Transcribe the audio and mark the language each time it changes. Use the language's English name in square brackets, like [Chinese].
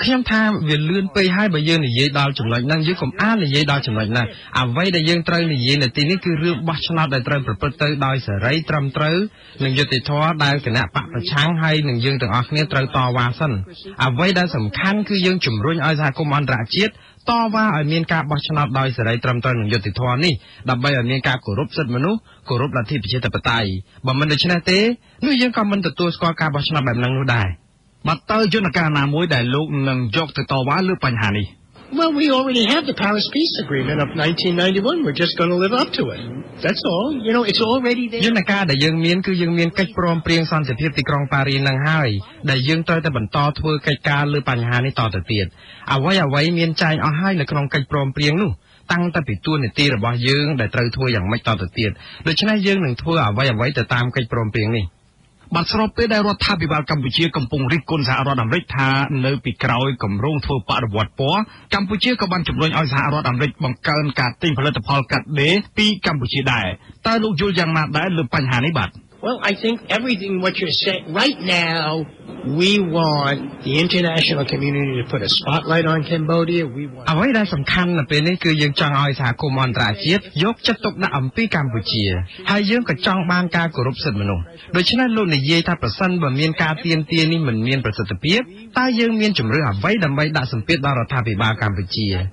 [Khmer] ខ្ញុំថាវាលឿនពេកហើយបើយើងនិយាយដល់ចំណុចហ្នឹងយើងកុំអាចនិយាយដល់ចំណុចហ្នឹងអ្វីដែលយើងត្រូវនិយាយនៅទីនេះគឺរឿងបោះឆ្នោតដែលត្រូវប្រព្រឹត្តទៅដោយសេរីត្រឹមត្រូវនិងយុត្តិធម៌ដែលគណៈបក្សប្រឆាំងហើយនិងយើងទាំងអស់គ្នាត្រូវតវ៉ាសិនអ្វីដែលសំខាន់គឺយើងជំរុញឲ្យសហគមន៍អន្តរជាតិត វ៉ាឲ្យមានការបោះឆ្នោតដោយសេរីត្រឹមត្រូវនឹងយុត្តិធម៌នេះដើម្បីឲ្យមានការគោរពសិទ្ធិមនុស្សគោរពលទ្ធិប្រជាធិបតេយ្យបើមិនដូច្នេះទេនោះយើងក៏មិនទទួលស្គាល់ការបោះឆ្នោតបែបហ្នឹងនោះដែរបើតើយន្តការណាមួយដែលលោកនឹងយកទៅតវ៉ាលើបញ្ហានេះ [English] Well we already have the Paris Peace Agreement of 1991 we're just going to live up to it That's all you know it's already there [Khmer] យន្តការដែលយើងមានគឺយើងមានកិច្ចព្រមព្រៀងសន្តិភាពទីក្រុងប៉ារីសហ្នឹងហើយដែលយើងត្រូវតែបន្តធ្វើកិច្ចការលើបញ្ហានេះតទៅទៀតអ្វីមានចែងអស់ហើយនៅក្នុងកិច្ចព្រមព្រៀងនោះតាំងតពីទួលនីតិរបស់យើងដែលត្រូវធ្វើយ៉ាងម៉េចតទៅទៀតដូច្នេះយើងនឹងធ្វើអ្វីទៅតាមកិច្ចព្រមព្រៀងនេះ បាទស្របពេលដែលរដ្ឋាភិបាលកម្ពុជាកំពុងរិះគន់សហរដ្ឋអាមេរិកថានៅពីក្រោយគម្រោងធ្វើបរិវត្តពណ៌កម្ពុជាក៏បានជំរុញឲ្យសហរដ្ឋអាមេរិកបង្កើនការទិញផលិតផលកាត់ដេរពីកម្ពុជាដែរតើលោកយល់យ៉ាងណាដែរលើបញ្ហានេះបាទ [English] Well, I think everything what you're saying right now, we want the international community to put a spotlight on Cambodia. We want. [Khmer] អ្វីដែលសំខាន់នៅពេលនេះគឺយើងចង់ឲ្យសហគមន៍អន្តរជាតិយកចិត្តទុកដាក់អំពីកម្ពុជាហើយយើងក៏ចង់បានការគោរពសិទ្ធិមនុស្សដូច្នេះលោកនិយាយថាប្រសិនបើមានការទៀនទានេះមិនមានប្រសិទ្ធភាពតើយើងមានជំរឿអ្វីដើម្បីដាក់សម្ពាធដល់រដ្ឋាភិបាលកម្ពុជា